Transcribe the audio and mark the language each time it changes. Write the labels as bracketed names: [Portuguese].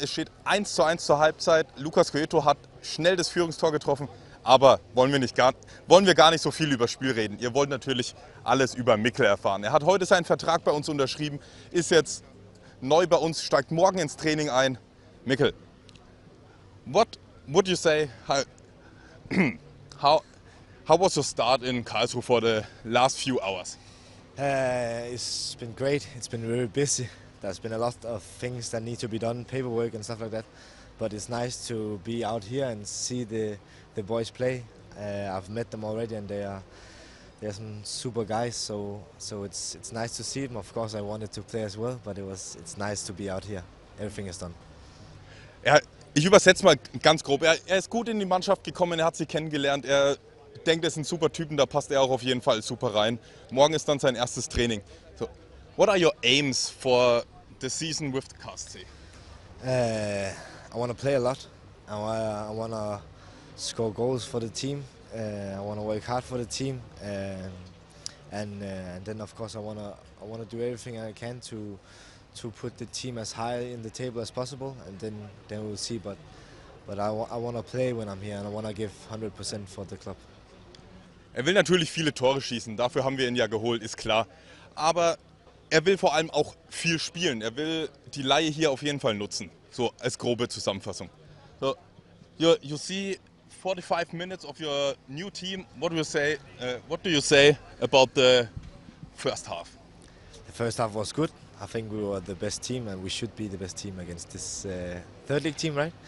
[German] Es steht 1:1 zur Halbzeit. Lucas Cueto hat schnell das Führungstor getroffen, aber wollen wir gar nicht so viel über Spiel reden. Ihr wollt natürlich alles über Mikkel erfahren. Er hat heute seinen Vertrag bei uns unterschrieben, ist jetzt neu bei uns, steigt morgen ins Training ein. [English] Mikkel, what would you say, how was your start in Karlsruhe for the last few hours? It's been great, it's been very busy. There's been a lot of things that need to be done, paperwork and stuff like that. But it's nice to be out here and see the boys play. I've met them already and they are some super guys. So it's nice to see them. Of course, I wanted to play as well, but it's nice to be out here. Everything is done. [German] Ja, ich übersetze mal ganz grob. Er ist gut in die Mannschaft gekommen, er hat sie kennengelernt. Er denkt, er ist ein super Typen, da passt er auch auf jeden Fall super rein. Morgen ist dann sein erstes Training. So. [English] What are your aims for the season with the KSC? I want to play a lot. I want to score goals for the team. I want to work hard for the team, and then of course I want to do everything I can to put the team as high in the table as possible, and then we'll see. But I want to play when I'm here, and I want to give 100% for the club. [German] Er will natürlich viele Tore schießen. Dafür haben wir ihn ja geholt, ist klar. Aber er will vor allem auch viel spielen. Er will die Leihe hier auf jeden Fall nutzen. So als grobe Zusammenfassung. [English] So, you see 45 minutes of your new team. What do you say about the first half? The first half was good. I think we were the best team and we should be the best team against this third league team, right?